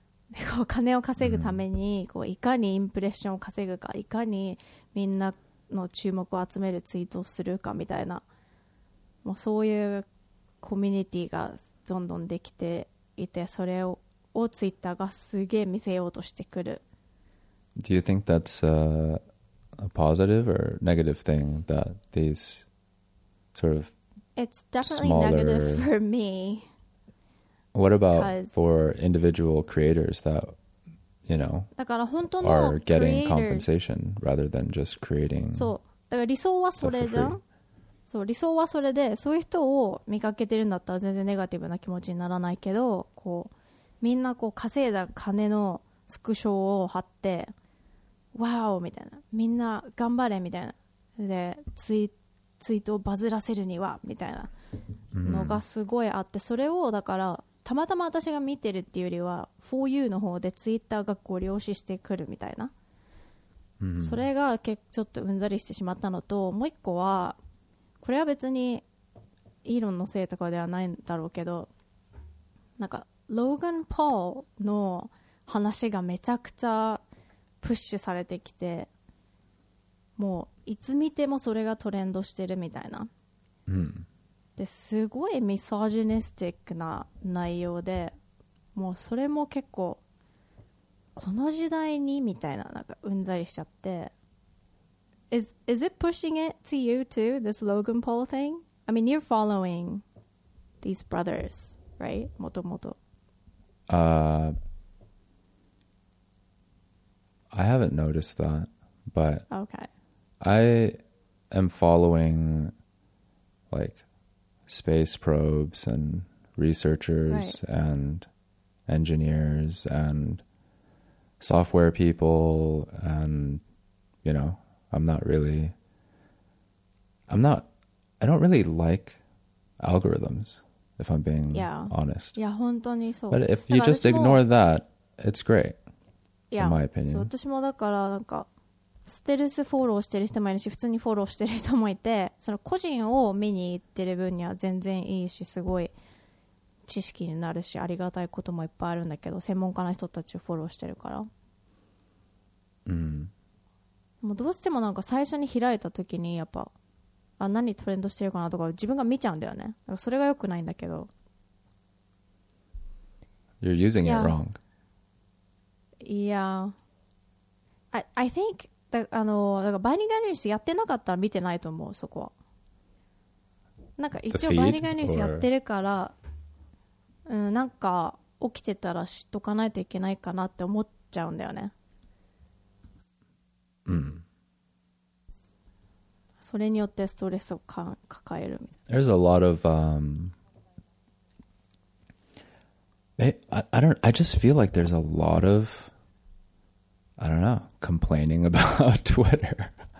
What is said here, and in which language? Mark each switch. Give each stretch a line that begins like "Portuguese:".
Japanese: で、こう、金を稼ぐために、こう、いかにインプレッションを稼ぐか、いかにみんなの注目を集めるツイートをするかみたいな、まあ、そういうコミュニティがどんどんできていて、それをツイッターがすげえ見せようとしてくる。
English: Do you think that's a positive or negative thing that these sort of It's definitely smaller... negative for me. What about for individual creators that, you know, are getting compensation rather than just creating?
Japanese: そう、だから理想はそれじゃん。そう、理想はそれで、そういう人を見かけてるんだったら全然ネガティブな気持ちにならないけど、こうみんなこう稼いだ金のスクショを貼って。わおみたいな、みんな頑張れみたいな、でツイートをバズらせるにはみたいなのがすごいあって、それをだからたまたま私が見てるっていうよりは For You の方でツイッターがご利用してくるみたいな、それがちょっとうんざりしてしまったのと、もう一個はこれは別にイーロンのせいとかではないんだろうけど、なんかローガン・ポールの話がめちゃくちゃプッシュされてきて、もういつ見てもそれがトレンドしてるみたいな、ですごいミソジニスティックな内容で、もうそれも結構この時代にみたいな、なんかうんざりしちゃって。
English: Is it pushing it to you too, this Logan Paul thing? I mean, you're following these brothers, right?
Japanese: もともと、
English: I haven't noticed that, but okay. I am following like space probes and researchers right. and engineers and software people, and you know, I don't really like algorithms, if I'm being honest. Yeah,
Japanese: 本当にそう。
English: But if you just ignore that, it's great.
Japanese: そう、私もだからなんかステルスフォローしてる人もいるし、普通にフォローしてる人もいて、その個人を見に行ってる分には全然いいし、すごい知識になるし、ありがたいこともいっぱいあるんだけど、専門家の人たちをフォローしてるから、もうどうしてもなんか最初に開いた時にやっぱ、あ、何トレンドしてるかなとか自分が見ちゃうんだよね。だからそれが良くないんだけど。
English: You're using it wrong. Yeah, I think that,
Japanese: あの、だからバイニガニュースやってなかったら見てないと思う、そこは。なんか一応バイニガニュースやってるから、なんか起きてたら知っとかないといけないかなって思っちゃうんだよね。それによってストレスを抱えるみたいな。
English: There's a lot of, I just feel like there's a lot of, I don't know, complaining about Twitter.